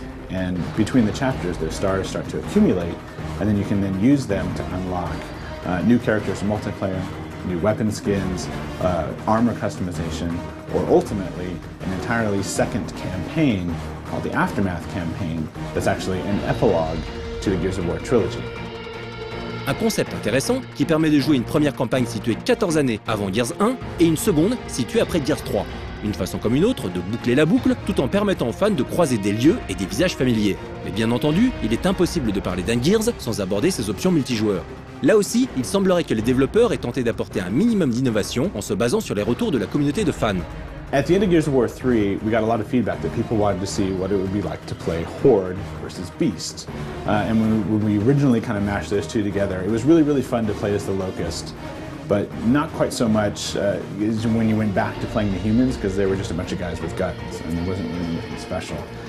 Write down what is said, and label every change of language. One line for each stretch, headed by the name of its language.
English: And between the chapters, those stars start to accumulate, and then you can then use them to unlock new characters in multiplayer, new weapon skins, armor customization, or ultimately an entirely second campaign called the Aftermath campaign that's actually an epilogue to the Gears of War trilogy.
French: Un concept intéressant qui permet de jouer une première campagne située 14 années avant Gears 1 et une seconde située après Gears 3. Une façon comme une autre de boucler la boucle tout en permettant aux fans de croiser des lieux et des visages familiers. Mais bien entendu, il est impossible de parler d'un Gears sans aborder ses options multijoueurs. Là aussi, il semblerait que les développeurs aient tenté d'apporter un minimum d'innovation en se basant sur les retours de la communauté de fans.
English: At the end of Gears of War 3, we got a lot of feedback that people wanted to see what it would be like to play Horde versus Beast. And when we originally kind of mashed those two together, it was really, really fun to play as the Locust, but not quite so much when you went back to playing the humans, because they were just a bunch of guys with guns, and there wasn't really anything special.